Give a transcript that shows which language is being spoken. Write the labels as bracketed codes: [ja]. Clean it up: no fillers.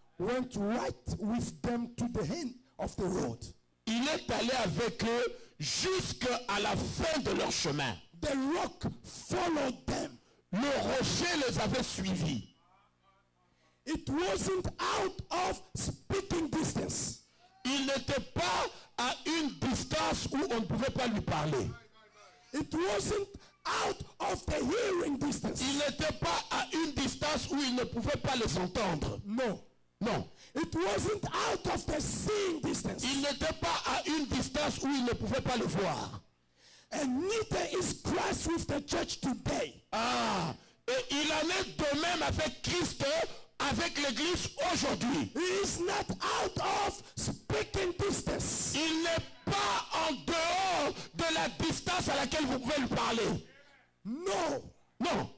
[en] Went right with them to the end of the road. [fr] Il est allé avec eux jusque à la fin de leur chemin. [en] The rock followed them. [fr] Le rocher les avait suivis. [en] It wasn't out of speaking distance. [fr] Il n'était pas à une distance où on ne pouvait pas lui parler. [en] It wasn't out of the hearing distance. [fr] Il n'était pas à une distance où il ne pouvait pas les entendre. Non. Non. [en] It wasn't out of the seeing distance. [fr] Il n'était pas à une distance où il ne pouvait pas le voir. [en] And neither is Christ with the church today. Ah. [fr] Et il en est de même avec Christ, avec l'Église aujourd'hui. [en] He is not out of speaking distance. [fr] Il n'est pas en dehors de la distance à laquelle vous pouvez lui parler. Non. Non.